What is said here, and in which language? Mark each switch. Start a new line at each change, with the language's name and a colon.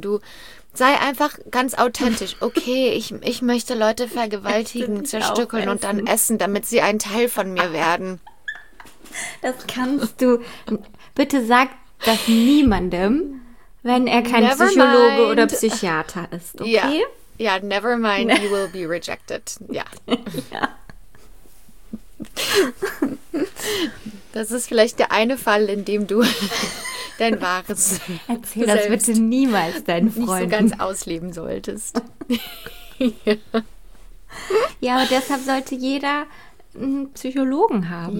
German: Du sei einfach ganz authentisch. Okay, ich möchte Leute vergewaltigen, zerstückeln und dann essen, damit sie ein Teil von mir werden. Das kannst du. Bitte sag das niemandem, wenn er kein Psychologe oder Psychiater ist, okay? Ja,
English: yeah, never mind, you will be rejected.
German: Ja. Das ist vielleicht der eine Fall, in dem du dein wahres Erzähl das bitte niemals deinen Freunden. Nicht so ganz ausleben solltest. Ja, aber deshalb sollte jeder einen Psychologen haben.